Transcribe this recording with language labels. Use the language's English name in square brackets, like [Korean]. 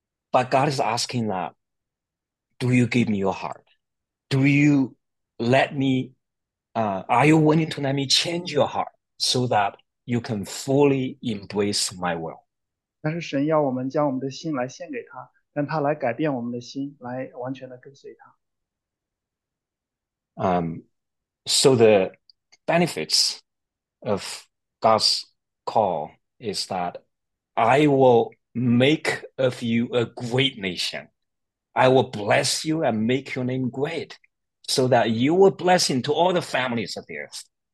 [English] But God is asking that, do you give me your heart? Do you let me, are you willing to let me change your heart so that you can fully embrace my will? [Chinese] 但是神要我们将我们的心来献给他，让他来改变我们的心，来完全的跟随他。 [English] So the benefits of God's call is that I will make of you a great nation. I will bless you and make your name great, so that you are a blessing to all the families of the earth.